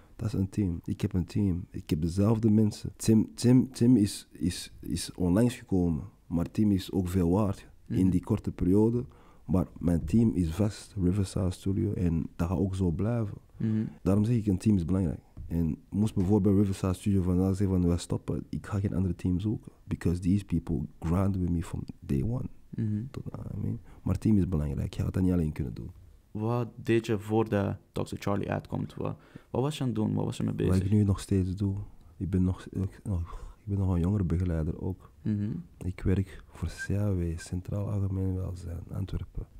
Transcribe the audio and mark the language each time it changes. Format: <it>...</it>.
<nl>Dat is een team. Ik heb een team. Ik heb dezelfde mensen. Tim is onlangs gekomen, maar Tim is ook veel waard in die korte periode. Maar mijn team is vast, Riverside Studio, en dat gaat ook zo blijven. Mm-hmm. Daarom zeg ik, een team is belangrijk. En moest bijvoorbeeld Riverside Studio vandaag zeggen van, we stoppen, ik ga geen andere team zoeken.</nl> <en>Because these people grind with me from day one. Mm-hmm.</en> <nl>Tot,</nl> <en>I mean.</en> <nl>Maar team is belangrijk, je gaat dat niet alleen kunnen doen. Wat deed je voor de Talks with Charlie uitkomt? Wat was je aan het doen? Wat was je mee bezig? Wat ik nu nog steeds doe. Ik ben nog een jongere begeleider ook. Mm-hmm. Ik werk voor CAW, Centraal Algemeen Welzijn, Antwerpen.</nl>